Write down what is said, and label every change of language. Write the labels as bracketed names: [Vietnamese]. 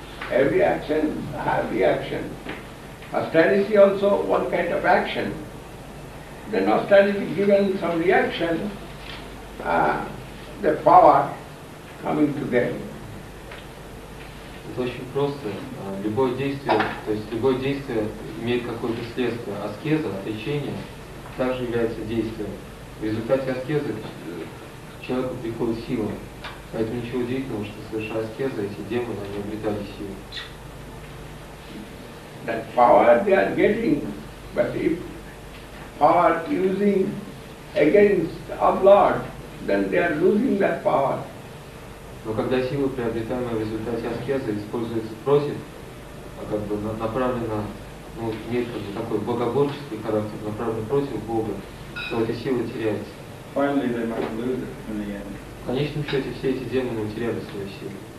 [English] Every action has reaction. Austerity also one kind of action. Then austerity given some reaction, the power coming to them. [Russian] Это очень просто. Любое действие, то есть любое действие имеет какое-то следствие. Аскеза, отречение, также является действием. В результате аскезы к человеку приходит сила. Поэтому ничего удивительного, что совершая аскезу, эти демоны, они обретали силу. [English] That power they are getting, but if power using against our Lord, then they are losing that power. [Russian] Но когда сила, приобретаемая в результате аскезы, используется против, а как бы направлена, ну, имеет как бы такой богоборческий характер, направлен против Бога, то эта сила теряется. [English] Finally, they might lose it in the end. [Russian] В конечном счете, все эти демоны утеряли свою силу.